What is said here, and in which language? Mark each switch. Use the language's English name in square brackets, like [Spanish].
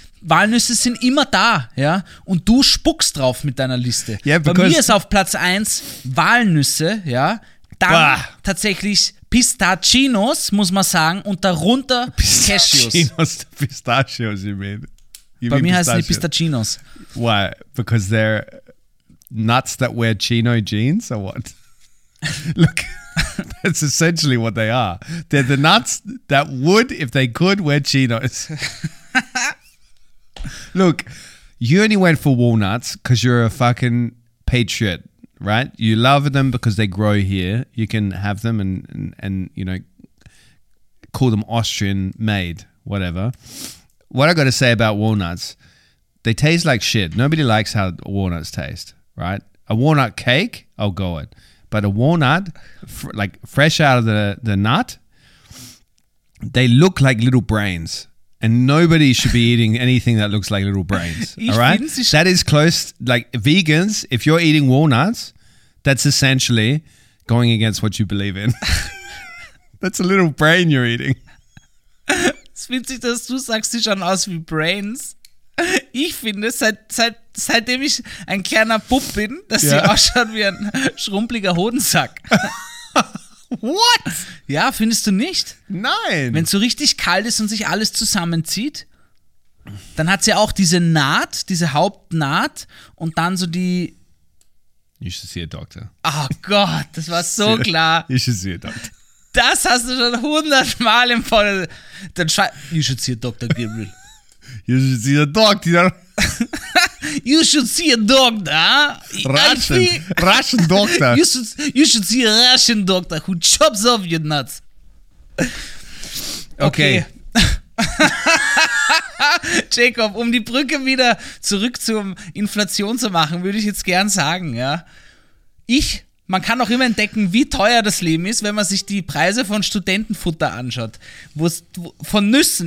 [German] Walnüsse sind immer da, ja? Und du spuckst drauf mit deiner Liste. Yeah, bei mir ist auf Platz 1 Walnüsse, ja? Dann tatsächlich Pistachinos, muss man sagen, und darunter Cashews. [English] Pistachinos, Pistachios, you mean? [German] Bei mir heißen die Pistachinos. [English] Why? Because they're nuts that wear chino jeans or what? Look, that's essentially what they are. They're the nuts that would, if they could, wear chinos. Look, you only went for walnuts because you're a fucking patriot, right? You love them because they grow here. You can have them and you know, call them Austrian made, whatever. What I got to say about walnuts, they taste like shit. Nobody likes how walnuts taste, right? A walnut cake, oh God. But a walnut, like fresh out of the nut, they look like little brains. And nobody should be eating anything that looks like little brains, all right? That is close, like vegans, if you're eating walnuts, that's essentially going against what you believe in. That's a little brain you're eating. [German] Es ist witzig, dass du sagst, sie schauen aus wie Brains. Ich finde, seitdem ich ein kleiner Bub bin, dass sie ausschauen wie ein schrumpeliger Hodensack. [English] What? [German] Ja, findest du nicht? Nein. Wenn es so richtig kalt ist und sich alles zusammenzieht, dann hat sie auch diese Naht, diese Hauptnaht und dann so die... [English] You should see a doctor. [German] Oh Gott, das war so klar. [English] You should see a doctor. [German] Das hast du schon 100 Mal im Voll. [English] You should see a doctor, [German] Gabriel. [English] You should see a doctor. You should see a doctor. Russian doctor. You should see a Russian doctor who chops off your nuts. Okay. [German] Jacob, um die Brücke wieder zurück zum Inflation zu machen, würde ich jetzt gern sagen, ja. Man kann auch immer entdecken, wie teuer das Leben ist, wenn man sich die Preise von Studentenfutter anschaut. Von Nüssen.